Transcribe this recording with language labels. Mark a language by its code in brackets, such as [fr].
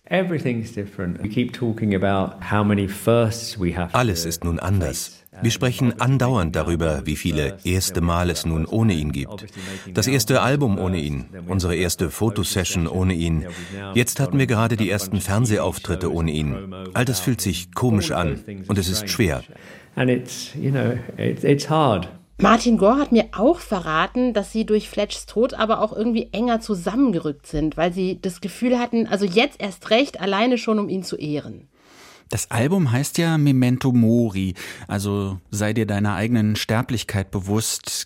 [de] Alles ist nun anders. Wir sprechen andauernd darüber, wie viele erste Mal es nun ohne ihn gibt. Das erste Album ohne ihn, unsere erste Fotosession ohne ihn. Jetzt hatten wir gerade die ersten Fernsehauftritte ohne ihn. All das fühlt sich komisch an und es ist schwer. [en] And it's, you know, it's hard. [de] Martin Gore hat mir auch verraten, dass sie durch Fletchs Tod aber auch irgendwie enger zusammengerückt sind, weil sie das Gefühl hatten, also jetzt erst recht, alleine schon, um ihn zu ehren. Das Album heißt ja Memento Mori, also sei dir deiner eigenen Sterblichkeit bewusst.